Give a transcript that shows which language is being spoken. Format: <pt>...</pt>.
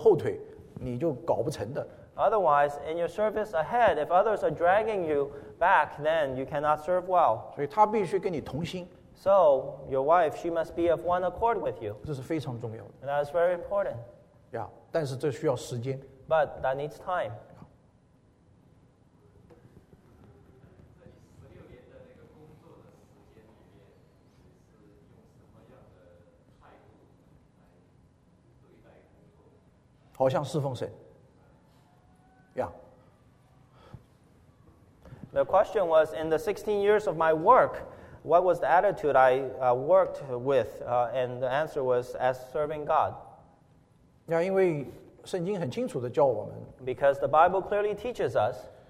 <zh>否则你后来你的服侍，有人在后面拉你的后腿，你就搞不成的。</zh> <en>Otherwise, in your service ahead, if others are dragging you back, then you cannot serve well.</en> <zh>所以他必须跟你同心。</zh> <en>So your wife, she must be of one accord with you.</en> <zh>这是非常重要的。</zh> <en>And that is very important.</en> <zh>Yeah, 但是这需要时间。</zh> <en>But that needs time.</en> <zh>好像侍奉神， yeah.</zh> <en>The question was, in the 16 years of my work, what was the attitude I worked with? And the answer was, as serving God.</en> <zh>Yeah, 因为圣经很清楚地教我们,</zh> <en>because the Bible clearly teaches us,</en>